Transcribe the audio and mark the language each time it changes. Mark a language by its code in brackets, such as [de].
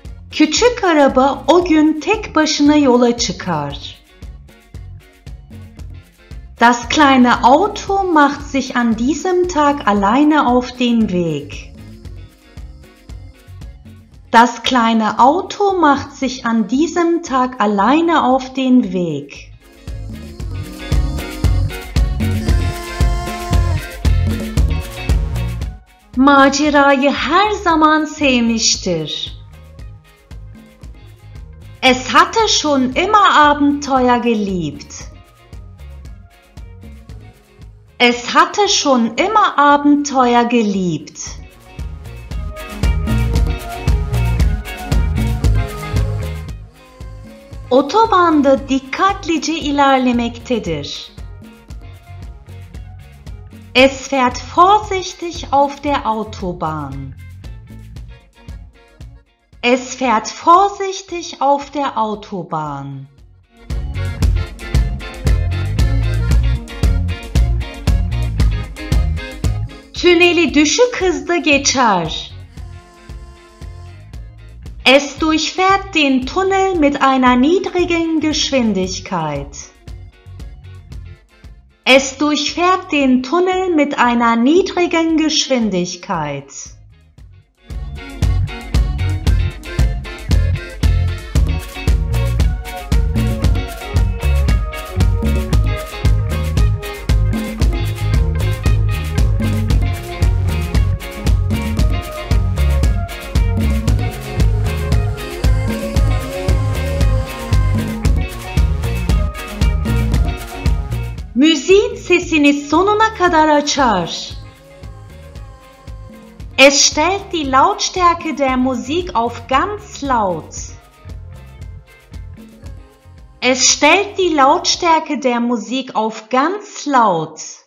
[tr] Küçük araba o gün tek başına yola çıkar. [de] Das kleine Auto macht sich an diesem Tag alleine auf den Weg. Das kleine Auto macht sich an diesem Tag alleine auf den Weg. [tr] Macerayı her zaman sevmiştir. [de] Es hatte schon immer Abenteuer geliebt. Es hatte schon immer Abenteuer geliebt. [tr] Otobanda dikkatlice ilerlemektedir. [de] Es fährt vorsichtig auf der Autobahn. Es fährt vorsichtig auf der Autobahn. [tr] Tüneli düşük hızda geçer. [de] Es durchfährt den Tunnel mit einer niedrigen Geschwindigkeit. Es durchfährt den Tunnel mit einer niedrigen Geschwindigkeit. [tr] Müziğin sesini sonuna kadar açar. [de] Es stellt die Lautstärke der Musik auf ganz laut. Es stellt die Lautstärke der Musik auf ganz laut.